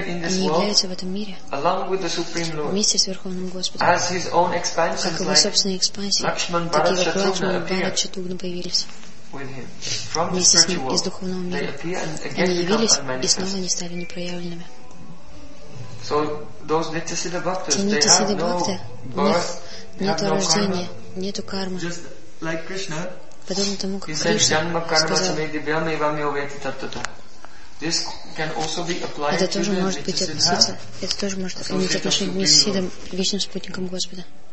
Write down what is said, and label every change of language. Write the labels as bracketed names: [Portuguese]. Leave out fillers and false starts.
[Russian] они являются в этом мире вместе с Верховным Господом, как его собственные экспансии, такие как Лакшман, Бхарат, Шатугна появились вместе с ним из духовного мира. Они явились и снова не стали непроявленными. [English] So those Nityasiddha Bhaktas, they have no birth, they have no karma. Just like Krishna, he said, [Sanskrit] janma karma samedibhyam evam yovetitattata. [English] This can also be applied to the Nityasiddha. [Russian] Это тоже может иметь отношение к Nityasiddham, вечным спутником Господа.